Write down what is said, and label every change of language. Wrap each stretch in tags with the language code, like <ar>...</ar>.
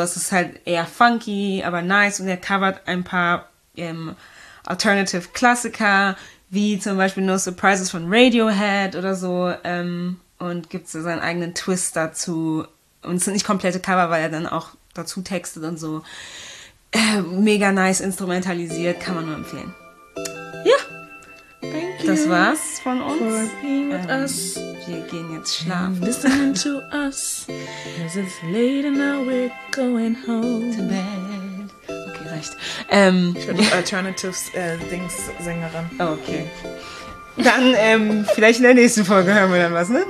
<de>Es ist halt eher funky, aber nice und er covert ein paar Alternative-Klassiker, wie zum Beispiel No Surprises von Radiohead oder so und gibt so seinen eigenen Twist dazu. Und es sind nicht komplette Cover, weil er dann auch dazu textet und so. Mega nice instrumentalisiert, kann man nur empfehlen. Ja,</de> <en>thank you.</en> <de>Das war's von uns.</de> <en>For being with us.</en> <de>Wir gehen jetzt schlafen.</de> <en>And listen to us. Cause it's late and now we're going home. To bed.</en> <de>Okay, reicht. Ich bin Alternative-Dings-Sängerin. Okay. Dann vielleicht in der nächsten Folge hören wir dann was, ne?</de>